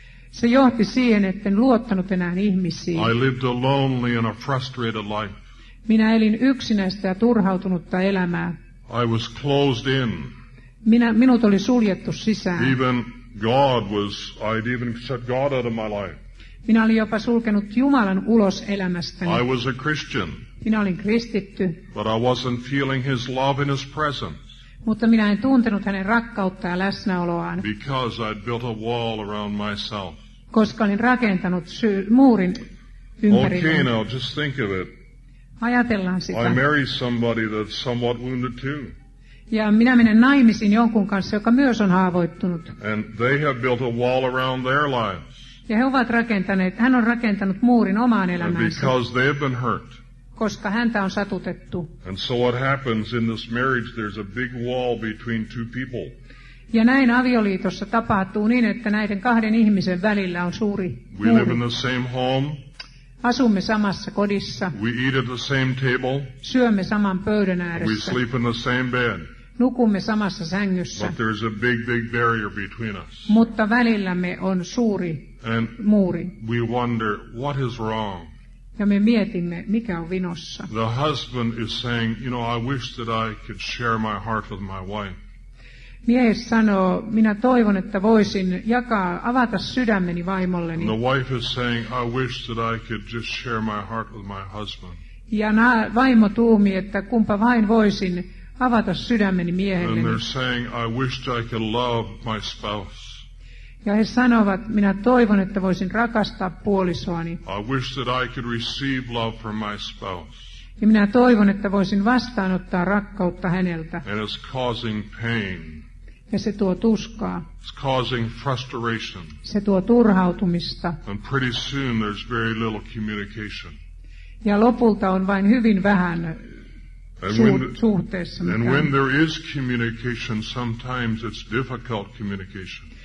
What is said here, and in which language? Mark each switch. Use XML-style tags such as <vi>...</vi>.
<fi>Se johti siihen, etten luottanut enää ihmisiin.</fi> <en>I lived a lonely and a frustrated life.</en> <fi>Minä elin yksinäistä ja turhautunutta elämää.</fi> <en>I was closed in.</en> <fi>Minut oli suljettu sisään.</fi> <en>Even God was, I'd even shut God out of my life.</en> <fi>Minä olin jopa sulkenut Jumalan ulos elämästäni.</fi> <en>I was a Christian.</en> <fi>Minä olin kristitty.</fi> <en>But I wasn't feeling his love and his presence.</en> <fi>Mutta minä en tuntenut hänen rakkautta ja läsnäoloaan.</fi> <en>Because I'd built a wall around myself.</en> <fi>Koska olin rakentanut muurin ympärilleni.</fi> <en>Okay, now just think of it.</en> <fi>Ajatellaan sitä.</fi> <en>I marry somebody that's somewhat wounded too.</en> <fi>Ja minä menen naimisiin jonkun kanssa, joka myös on haavoittunut.</fi> <en>And they have built a wall around their lives.</en> <fi>Ja he ovat rakentaneet, hän on rakentanut muurin omaan elämäänsä.</fi> <en>And because they've been hurt.</en> <fi>Koska häntä on satutettu.</fi> <en>And so what happens in this marriage, there's a big wall between two people.</en> <fi>Ja näin avioliitossa tapahtuu niin, että näiden kahden ihmisen välillä on suuri muuri.</fi> <en>We live in the same home.</en> <fi>Asumme samassa kodissa.</fi> <en>We eat at the same table.</en> <fi>Syömme saman pöydän ääressä.</fi> <en>We sleep in the same bed.</en> <fi>Nukumme samassa sängyssä.</fi> <en>But there's a big barrier between us.</en> <fi>Mutta välillämme on suuri</fi> <en>and</en> <fi>muuri.</fi> <en>We wonder what is wrong.</en> <fi>Ja me mietimme, mikä on vinossa.</fi> <en>The husband is saying, you know, I wish that I could share my heart with my wife.</en> <fi>Mies sanoo, minä toivon, että voisin jakaa, avata sydämeni vaimolleni.</fi> <en>And the wife is saying, I wish that I could just share my heart with my husband.</en> <fi>Ja vaimo tuumi, että kumpa vain voisin avata sydämeni miehelleni.</fi> <en>And they're saying, I wish that I could love my spouse.</en> <fi>Ja he sanovat, minä toivon, että voisin rakastaa puolisoani.</fi> <en>I wish that I could receive love from my spouse.</en> <fi>Ja minä toivon, että voisin vastaanottaa rakkautta häneltä.</fi> <en>And it's causing pain.</en> <fi>Ja se tuo tuskaa.</fi> <en>It's causing frustration.</en> <fi>Se tuo turhautumista.</fi> <en>And pretty soon there's very little communication.</en> <fi>Ja lopulta on vain hyvin vähän suhteessa.</fi> <en>And when there is communication, sometimes it's difficult communication.</en>